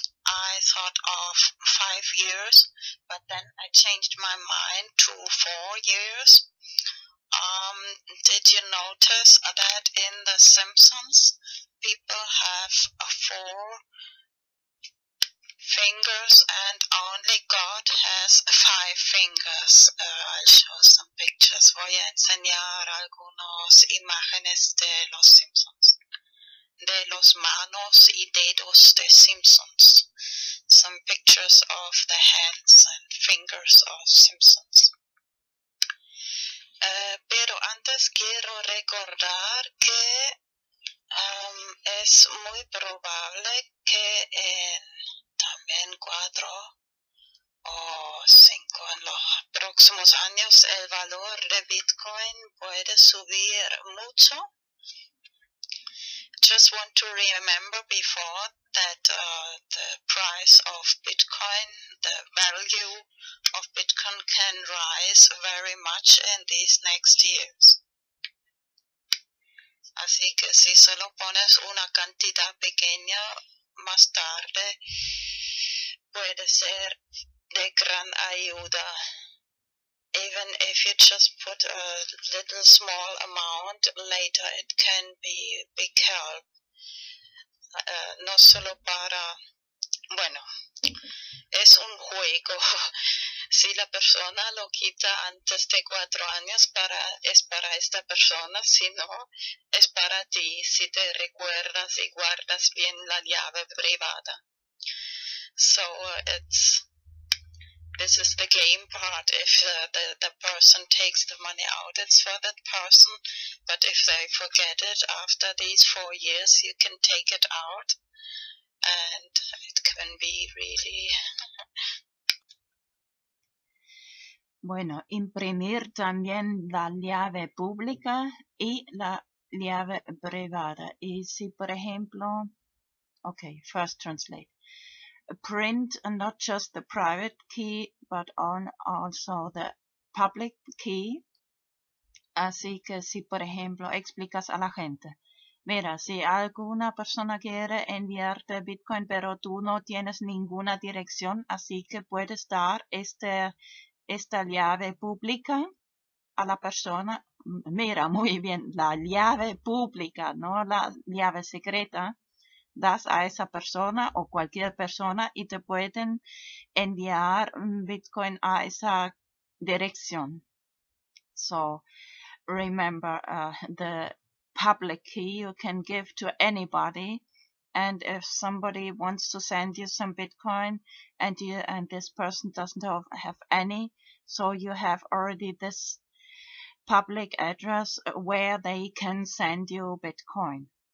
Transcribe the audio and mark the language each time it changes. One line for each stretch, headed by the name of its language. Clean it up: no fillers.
English: I thought of 5 years, but then I changed my mind to 4 years. Did you notice that in The Simpsons, people have four fingers and only God has five fingers? I'll show some pictures.
Spanish: Voy a enseñar algunas imágenes de Los Simpsons. De los manos y dedos de Simpsons.
English: Some pictures of the hands and fingers of Simpsons.
Spanish: Pero antes quiero recordar que es muy probable que en también 4 o 5 en los próximos años el valor de Bitcoin puede subir mucho.
English: Just want to remember before that the price of Bitcoin, the value of Bitcoin can rise very much in these next years.
Spanish: Así que si solo pones una cantidad pequeña, más tarde puede ser de gran ayuda.
English: Even if you just put a little small amount, later it can be big help.
Spanish: No solo para, bueno, es un juego. Si la persona lo quita antes de 4 años, es para esta persona. Si no, es para ti, si te recuerdas y guardas bien la llave privada.
English: So it's... This is the game part. If the person takes the money out, it's for that person. But if they forget it after these 4 years, you can take it out. And it can be really...
Spanish: Bueno, imprimir también la llave pública y la llave privada. Y si, por ejemplo...
English: Okay, first translate. Print not just the private key, but on also the public key.
Spanish: Así que si, por ejemplo, explicas a la gente. Mira, si alguna persona quiere enviarte Bitcoin, pero tú no tienes ninguna dirección, así que puedes dar esta llave pública a la persona. Mira, muy bien, la llave pública, no la llave secreta. Das a esa persona o cualquier persona y te pueden enviar Bitcoin a esa dirección.
English: So, remember, the public key you can give to anybody. And if somebody wants to send you some Bitcoin and this person doesn't have any, so you have already this public address where they can send you Bitcoin.